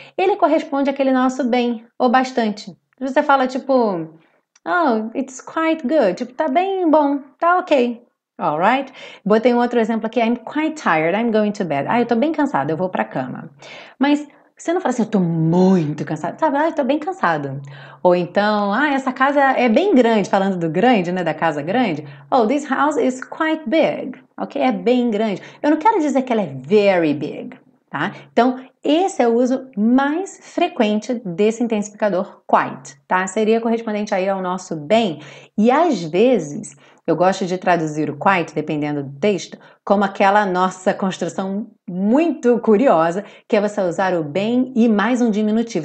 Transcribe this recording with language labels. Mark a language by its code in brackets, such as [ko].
[pt] Ele corresponde àquele nosso bem, ou bastante. Você fala tipo, [en] oh, it's quite good, [pt] tipo, tá bem bom, tá ok. All right? Botei um outro exemplo aqui, [en] I'm quite tired, I'm going to bed. [pt] Ah, eu tô bem cansada, eu vou pra cama. Mas você não fala assim, eu tô muito cansado. Sabe, ah, eu tô bem cansado. Ou então, ah, essa casa é bem grande, falando do grande, né, da casa grande. [en] Oh, this house is quite big. [pt] Ok? É bem grande. Eu não quero dizer que ela é very big, tá? Então, esse é o uso mais frequente desse intensificador quite, tá? Seria correspondente aí ao nosso bem. E às vezes, eu gosto de traduzir o quiet, dependendo do texto, como aquela nossa construção muito curiosa, que é você usar o bem e mais um diminutivo.